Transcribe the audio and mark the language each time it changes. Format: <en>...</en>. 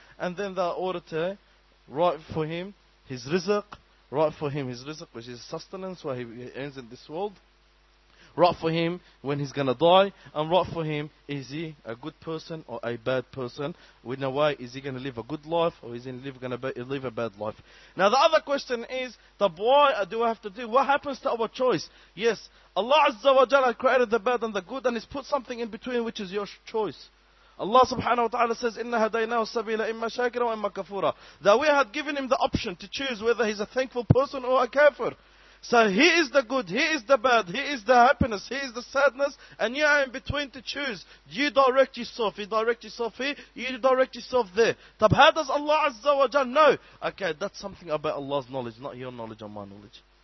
<en>And then they order to write for him his rizq, right for him his rizq, which is sustenance, where he ends in this world, right for him when he's going to die, and right for him, is he a good person or a bad person? In a way, is he going to live a good life or is he going to live a bad life? Now the other question is, why do I have to do? What happens to our choice? Yes, Allah Azza wa Jalla created the bad and the good, and he's put something in between, which is your choice. Allah subhanahu wa ta'ala says,</en> <ar>إِنَّ هَدَيْنَاهُ السَّبِيلَ إِمَّا شَاكِرًا وَإِمَّا كَفُورًا.</ar> <en>That we had given him the option to choose whether he's a thankful person or a kafir. So he is the good, he is the bad, he is the happiness, he is the sadness, and you are in between to choose. You direct yourself, you direct yourself here, you direct yourself there. Tab, how does Allah Azza wa Jalla know? Okay, that's something about Allah's knowledge, not your knowledge or my knowledge.</en>